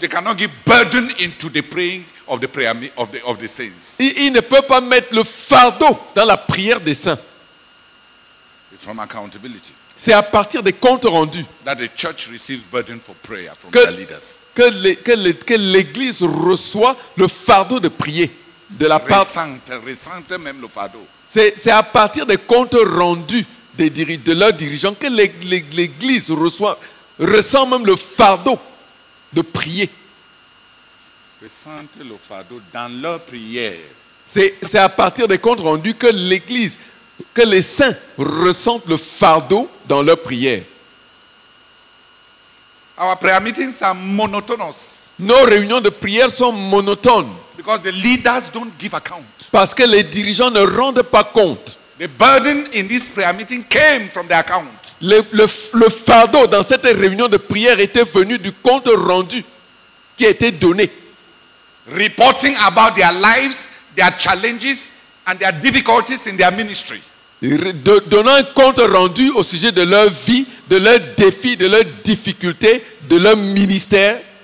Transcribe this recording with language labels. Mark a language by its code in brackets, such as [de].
[en] they cannot give burden into the praying of the prayer of the saints. [fr] Ils ne peuvent pas mettre le fardeau dans la prière des saints. [en] It's from accountability. [fr] C'est à partir des comptes rendus [en] that the church receives burden for prayer from their leaders. [fr] Que l'église reçoit le fardeau de prier de la part. Ressente même le fardeau. C'est à partir des comptes rendus de leurs dirigeants que l'Église ressent même le fardeau de prier. Ressentent le fardeau dans leur prière. C'est à partir des comptes rendus que l'Église, que les saints ressentent le fardeau dans leur prière. [en] Our prayer meetings are monotonous. [fr] Nos réunions de prière sont monotones. [en] Because the leaders don't give account. [fr] Parce que les dirigeants ne rendent pas compte. [en] The burden in this prayer meeting came from the account. [fr] Le fardeau dans cette réunion de prière était venu du compte rendu qui était donné. [en] Reporting about their lives, their challenges and their difficulties in their ministry. [fr] Donnant un compte rendu au sujet de leur vie, de leurs défis, de leurs difficultés, de leur ministère.